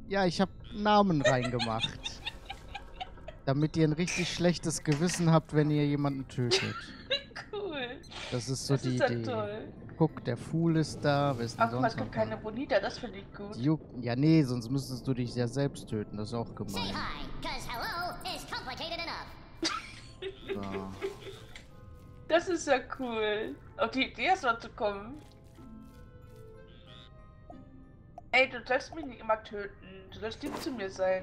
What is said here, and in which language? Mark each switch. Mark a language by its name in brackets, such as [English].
[German] Ja, ich habe Namen reingemacht. Damit ihr ein richtig schlechtes Gewissen habt, wenn ihr jemanden tötet. Cool. Das ist so das die ist Idee. Toll. Guck, der Fool ist da. Wer ist denn ach, sonst es gibt keine Bonita, das finde ich gut. Ja, nee, sonst müsstest du dich ja selbst töten. Das ist auch gemein. [English] Say hi, 'cause hello is complicated enough. [German] So. Das ist ja cool. Auf die Idee ist noch zu kommen. Ey, du sollst mich nicht immer töten. Du sollst lieb zu mir sein.